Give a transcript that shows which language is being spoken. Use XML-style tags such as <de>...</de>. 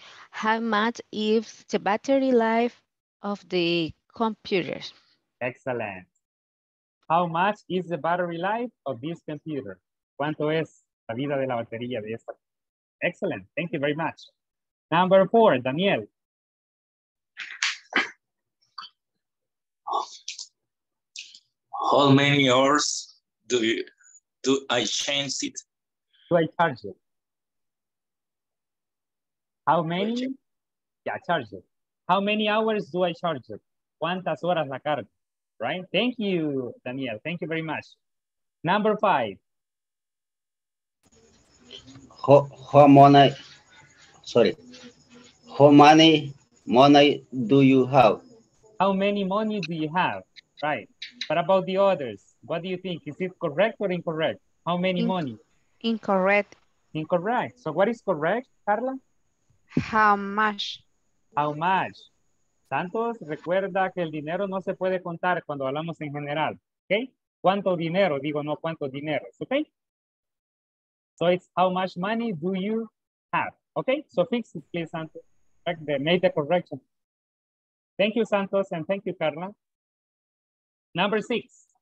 <en>How much is the battery life of the computer? Excellent. How much is the battery life of this computer?</en> <es>¿Cuánto es la vida de la batería de esta?</es> <en>Excellent. Thank you very much. Number four, Daniel. How many hours do I change it? Do I charge it? How many? Yeah, charge it. How many hours do I charge it?</en> <es>¿Cuántas horas la cargo?</es> <en>Right? Thank you, Daniel. Thank you very much. Number five. How many money do you have? How many money do you have? Right. What about the others? What do you think? Is it correct or incorrect? How many money? Incorrect. Incorrect. So what is correct, Carla? How much? How much?</en> <es>Santos, recuerda que el dinero no se puede contar cuando hablamos en general. Okay? ¿Cuánto dinero? Digo, no, ¿cuánto dinero? Okay?</es> <en>So it's how much money do you have? Okay? So fix it, please, Santos. Make the correction. Thank you, Santos, and thank you, Carla. Number six.</en>